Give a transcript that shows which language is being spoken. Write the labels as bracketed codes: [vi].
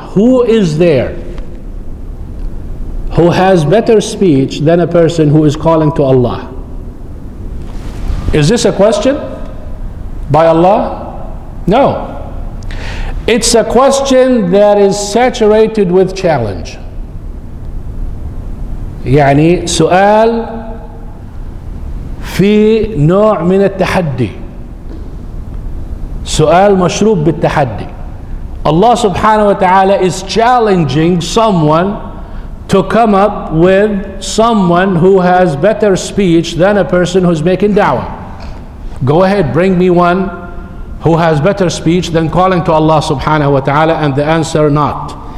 [en] Who is there who has better speech than a person who is calling to Allah? Is this a question by Allah? No. It's a question that is saturated with challenge. [ar] يعني سؤال في نوع من التحدي. سؤال مشروب بالتحدي. [en] Allah subhanahu wa ta'ala is challenging someone to come up with someone who has better speech than a person who's making da'wah. Go ahead, bring me one who has better speech than calling to Allah subhanahu wa ta'ala, and the answer, not.